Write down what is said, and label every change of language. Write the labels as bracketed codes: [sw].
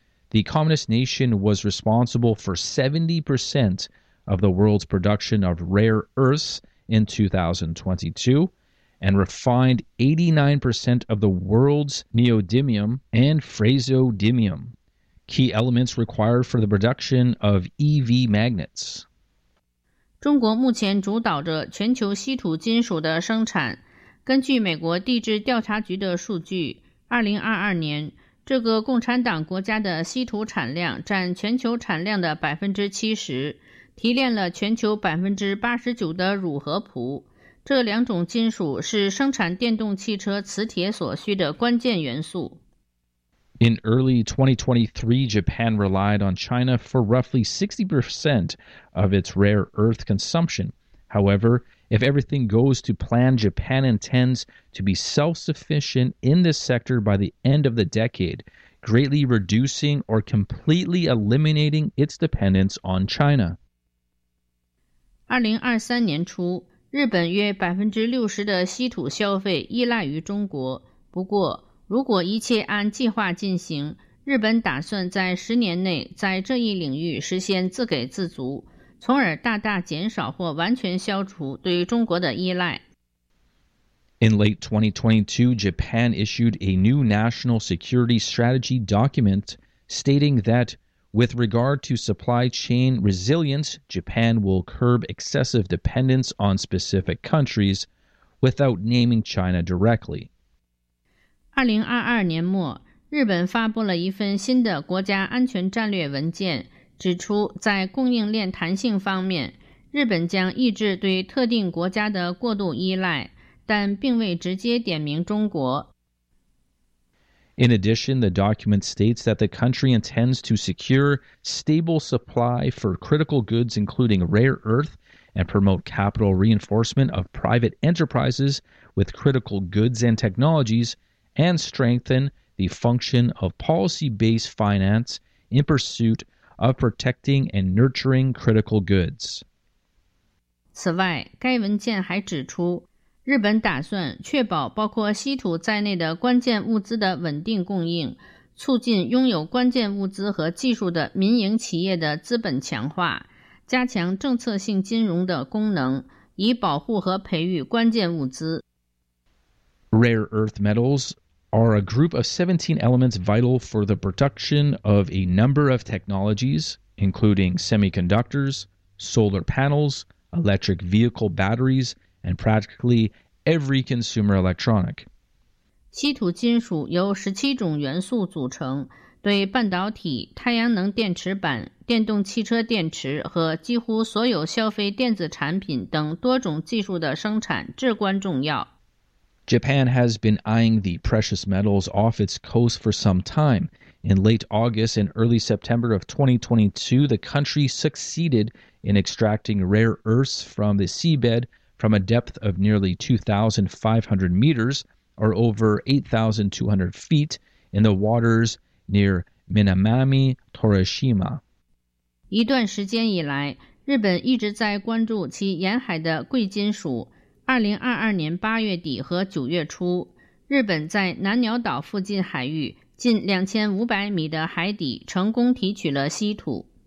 [en] The communist nation was responsible for 70% of the world's production of rare earths in 2022, and refined 89% of the world's neodymium and praseodymium, key elements required for the production of EV magnets. [zh] 中国目前主导着全球稀土金属的生产。根据美国地质调查局的数据，2022年，这个共产党国家的稀土产量占全球产量的 70%， 提炼了全球 89% 的钴和钴。这两种金属是生产电动汽车磁铁所需的关键元素。 [en] In early 2023, Japan relied on China for roughly 60% of its rare earth consumption. However, if everything goes to plan, Japan intends to be self-sufficient in this sector by the end of the decade, greatly reducing or completely eliminating its dependence on China. [zh] 2023年初，日本约 60% 的稀土消费依赖于中国。不过，如果一切按计划进行，日本打算在十年内在这一领域实现自给自足，从而大大减少或完全消除对中国的依赖。 [en] In late 2022, Japan issued a new national security strategy document stating that with regard to supply chain resilience, Japan will curb excessive dependence on specific countries without naming China directly. [zh] 2022年末，日本发布了一份新的国家安全战略文件，指出在供应链弹性方面，日本将抑制对特定国家的过度依赖，但并未直接点名中国。 [en] In addition, the document states that the country intends to secure stable supply for critical goods including rare earth,and promote capital reinforcement of private enterprises with critical goods and technologies, and strengthen the function of policy-based finance in pursuit of protecting and nurturing critical goods. [zh] 此外，该文件还指出，日本打算确保包括稀土在内的关键物资的稳定供应，促进拥有关键物资和技术的民营企业的资本强化。加强政策性金融的功能，以保护和培育关键物资。 [en] Rare earth metals are a group of 17 elements vital for the production of a number of technologies, including semiconductors, solar panels, electric vehicle batteries, and practically every consumer electronic. [zh] 稀土金属由17种元素组成，对半导体、太阳能电池板、电动汽车电池和几乎所有消费电子产品等多种技术的生产至关重要。 [en] Japan has been eyeing the precious metals off its coast for some time. In late August and early September of 2022, the country succeeded in extracting rare earths from the seabed from a depth of nearly 2,500 meters or over 8,200 feet in the waters near Minamimi, Torishima. [zh] 一段时间以来，日本一直在关注其沿海的贵金属。 2022年8月底和9月初，日本在南鸟岛附近海域近2500米的海底成功提取了稀土。